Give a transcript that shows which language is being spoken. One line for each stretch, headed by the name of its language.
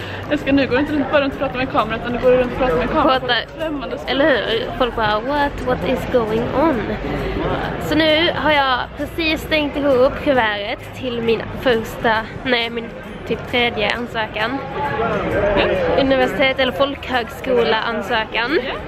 Swedish: Jag ska nu gå inte runt bara runt och prata med kameran, utan nu går runt och prata med kameran. Prata, eller hur? Folk bara,
English: what is going on?
Swedish: Så nu har jag precis stängt ihop kuvertet till min första, nej min typ tredje ansökan. Universitet eller folkhögskola ansökan.